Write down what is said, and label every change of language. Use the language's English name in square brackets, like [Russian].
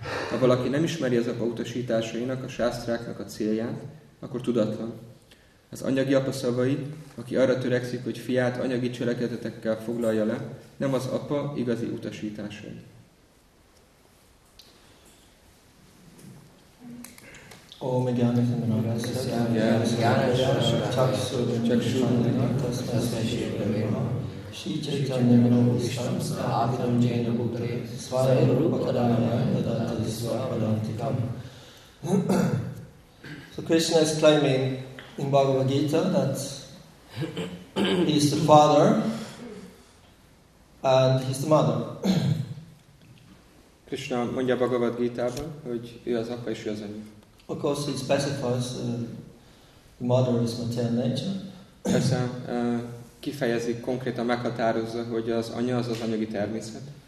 [Hungarian] Ha valaki nem ismeri az apa utasításainak, a sásztráknak a célját, akkor tudatlan. Az anyagi apa szavai, aki arra törekszik, hogy fiát anyagi cselekedetekkel foglalja le, nem az apa igazi utasításai. [English] Om So Krishna is claiming in Bhagavad Gita that he is the father and he is the mother. [Hungarian] Krishna mondja Bhagavad Gita-ban, hogy ő az apa és ő az anya. [English] Of course, he specifies the mother is material nature. [Hungarian] Persze, kifejezi, konkrétan meghatározza, hogy az anya az az anyagi természet.